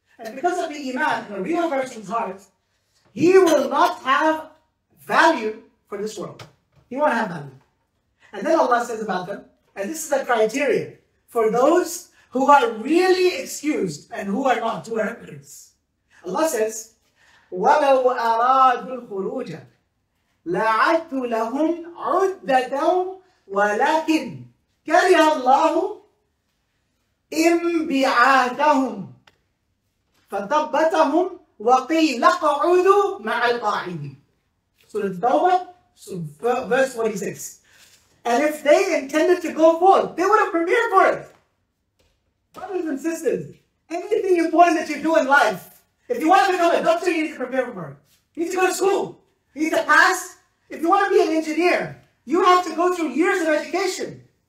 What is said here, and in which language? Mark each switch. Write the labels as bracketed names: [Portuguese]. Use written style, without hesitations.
[English] And because of the iman in a real person's heart, he will not have value for this world. He won't have value. And then Allah says about them, and this is the criteria for those who are really excused and who are not, who are hypocrites. [Arabic] Allah says, وَلَوْ أَرَادُوا الْخُرُوجَ لَعَدُّ لَهُمْ عُدَّةً وَلَكِنْ كَرِهَ اللَّهُ إِنْبِعَاتَهُمْ فَتَبَّتَهُمْ وَقِيلَ قَعُدُوا مَعَ الْقَاعِدِينَ [English] Surah Tawbah, verse 46. And if they intended to go forth, they would have prepared for it. Brothers and sisters, anything important that you do in life, if you want to become a doctor, you need to prepare for it. You need to go to school. You need to pass. If you want to be an engineer, you have to go through years of education.